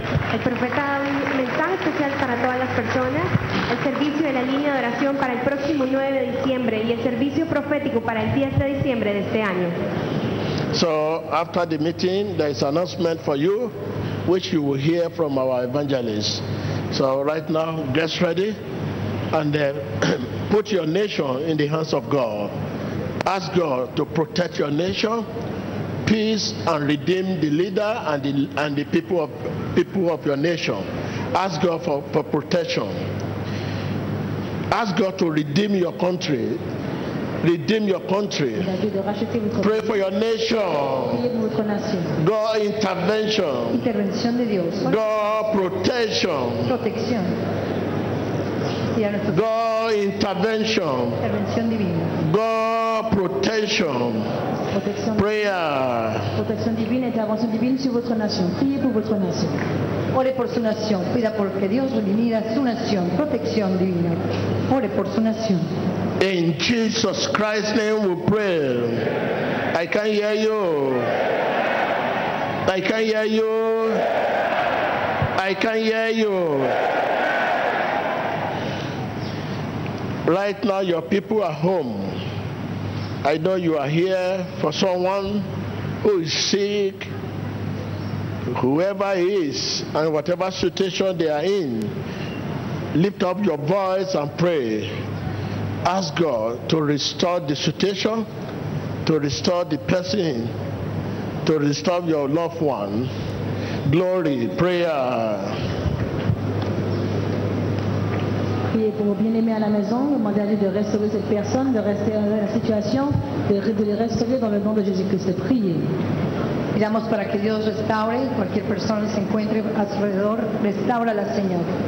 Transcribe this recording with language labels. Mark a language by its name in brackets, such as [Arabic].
[Spanish] El profeta da un mensaje especial para todas las personas. El servicio de la línea de oración para el próximo 9 de diciembre y el servicio profético para el 10 de diciembre de este año. [English] So, after the meeting, there is an announcement for you, which you will hear from our evangelists. So, right now, get ready and put your nation in the hands of God. Ask God to protect your nation. Peace and redeem the leader and the people of your nation. Ask God for protection. Ask God to redeem your country. Redeem your country. Pray for your nation. God intervention. God protection. God intervention. God protection. Prayer. [French] Protection divine, intervention divine sur votre nation. Priez pour votre nation. [Spanish] Ore por su nación. Pida porque Dios redimida su nación. Protección divina. Ore por su nación. [English] In Jesus Christ's name we pray. I can hear you. I can hear you. I can hear you. Right now your people are home. I know you are here for someone who is sick, whoever he is, and whatever situation they are in, lift up your voice and pray. Ask God to restore the situation, to restore the person, to restore your loved one. Glory, prayer. [French] Priez pour vos bien-aimés à la maison, demandez-lui de restaurer cette personne, de restaurer la situation, de les restaurer dans le nom de Jésus-Christ. Priez. [Spanish] Pidamos para que Dios restaure, cualquier persona se encuentre a su alrededor, restaura la Señor.